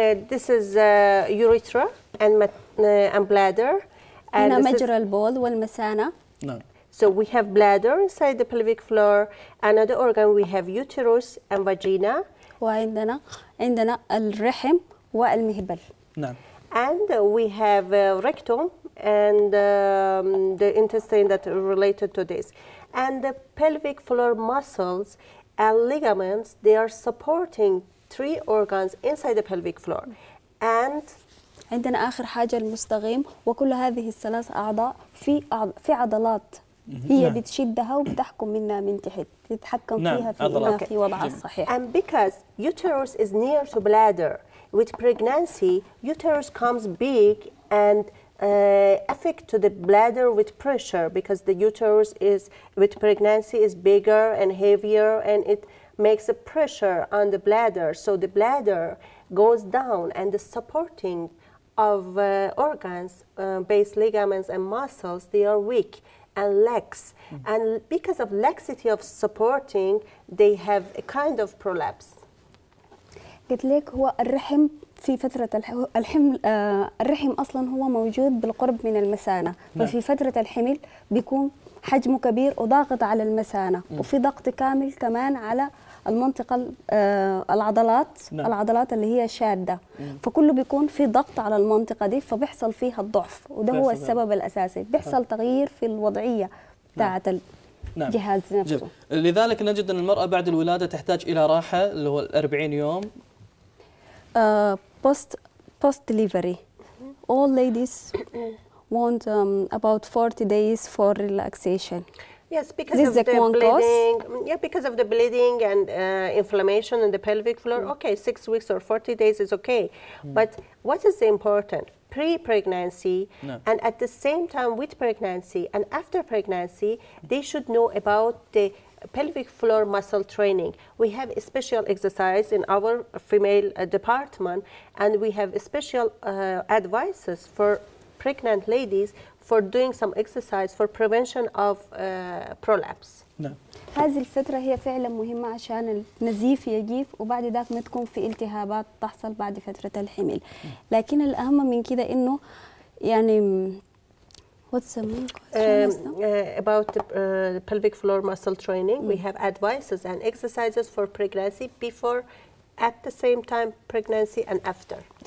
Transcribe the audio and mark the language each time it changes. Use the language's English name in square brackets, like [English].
[English] This is urethra and and bladder. [Arabic] هنا مجرى البول والمثانة. [English] So we have bladder inside the pelvic floor. Another organ we have uterus and vagina. [Arabic] وعندنا الرحم. والمهبل. [English] And we have rectum and the intestine that are related to this. And the pelvic floor muscles and ligaments, they are supporting three organs inside the pelvic floor. And [Arabic] عندنا آخر حاجة المستقيم وكل هذه الثلاث أعضاء في عضلات هي نعم. بتشدها وبتحكم منها من تحت تتحكم نعم. فيها في أضلات. في وضعها الصحيح. [English] And because uterus is near to bladder. With pregnancy, uterus comes big and affect to the bladder with pressure because the uterus is with pregnancy is bigger and heavier and it makes a pressure on the bladder. So the bladder goes down and the supporting of organs, base ligaments and muscles, they are weak and lax. Mm-hmm. And because of laxity of supporting, they have a kind of prolapse. [Arabic] قلت لك هو الرحم في فترة الحمل الرحم أصلا هو موجود بالقرب من المثانة وفي فترة الحمل بيكون حجمه كبير وضاغط على المثانة وفي ضغط كامل كمان على المنطقة العضلات العضلات اللي هي شادة فكله بيكون في ضغط على المنطقة دي فبيحصل فيها الضعف وده هو السبب الأساسي بيحصل تغيير في الوضعية بتاعت نعم. جهاز نفسه جب. لذلك نجد أن المرأة بعد الولادة تحتاج إلى راحة اللي هو 40 يوم [English] post delivery all ladies want about 40 days for relaxation yes because this of the bleeding yeah because of the bleeding and inflammation in the pelvic floor mm. okay 6 weeks or 40 days is okay mm. but what is important pre-pregnancy no. and at the same time with pregnancy and after pregnancy they should know about the pelvic floor muscle training. We have a special exercise in our female department and we have special advices for pregnant ladies for doing some exercise for prevention of prolapse. [Arabic] نعم. هذه الفترة هي فعلا مهمة عشان النزيف يجيف وبعد ذلك ما تكون في التهابات تحصل بعد فترة الحمل. لكن الأهم من كده إنه يعني [English] What's the main question? About the pelvic floor muscle training, mm. we have advices and exercises for pregnancy before, at the same time pregnancy and after.